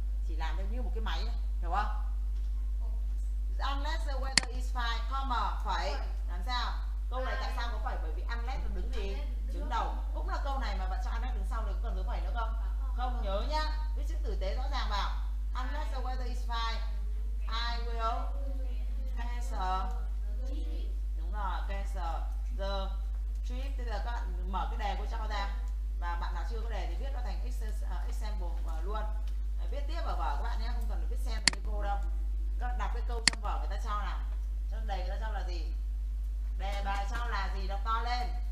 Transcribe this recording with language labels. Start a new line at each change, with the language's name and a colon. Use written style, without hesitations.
Vietnamese: Chỉ làm theo như một cái máy này, hiểu không?
English: Unless the weather is fine, comma
Vietnamese: phải. Làm sao? Câu này tại sao có phải? Bởi vì unless là đứng gì? Đứng đầu. Cũng là câu này mà bạn cho unless đứng sau thì có cần dấu phẩy nữa không? Không, nhớ nhá. Viết chữ tử tế rõ ràng vào.
English: Unless the weather is fine, I will cancel.
Vietnamese: Đúng rồi,
English: cancel the trip.
Vietnamese: Tức là các bạn mở cái đề cô cho ra. Và bạn nào chưa có đề thì viết nó thành example luôn. Để viết tiếp vào vở các bạn nhé, không cần phải viết xem như cô đâu. Các bạn đọc cái câu trong vở người ta cho là, trong đề người ta cho là gì? Đề bài sau là gì đọc to lên?